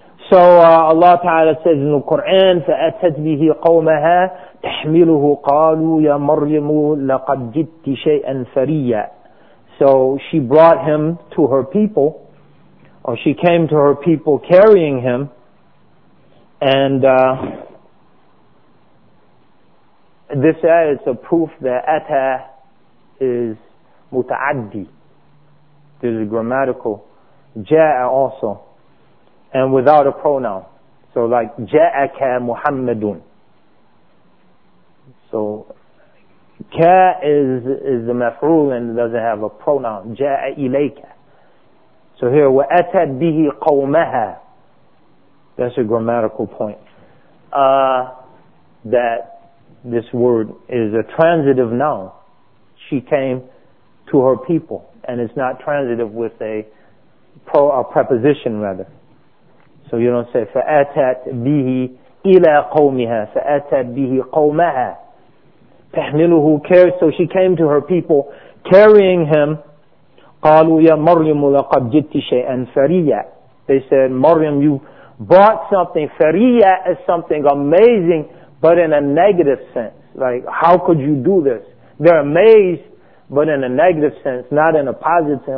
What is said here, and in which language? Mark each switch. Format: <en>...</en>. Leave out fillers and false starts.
<en>So Allah Ta'ala says in the Quran,</en> <ar>فَأَتَتْ بِهِ قَوْمَهَا تَحْمِلُهُ قَالُوا يَا مَرْيَمُ لَقَدْ جِتِّ شَيْئًا فَرِيًّا.</ar> <en>So she brought him to her people, or she came to her people carrying him, and this ayah is a proof that ata is muta'addi. There's a grammatical ja'a also, and without a pronoun. So like ja'aka Muhammadun. So ka is the maf'ul and doesn't have a pronoun. Ja'a ilayka. So here</en> <ar>wa atat bihi qawmaha.</ar> <en>That's a grammatical point. That this word is a transitive noun. She came to her people, and it's not transitive with a preposition rather. So you don't say</en> <ar>فَأَتَتْ بِهِ إِلَى قَوْمِهَا فَأَتَتْ بِهِ قَوْمَهَا تَحْمِلُهُ كَرِيًّا.</ar> <en>So she came to her people carrying him.</en> <ar>قَالُوا يَا مَرْيَمُ لَقَدْ جِتِّ شَيْئًا فَرِيًّا.</ar> <en>They said, Maryam, you brought something. فَرِيًّا is something amazing, but in a negative sense. Like, how could you do this? They're amazed, but in a negative sense, not in a positive sense.</en>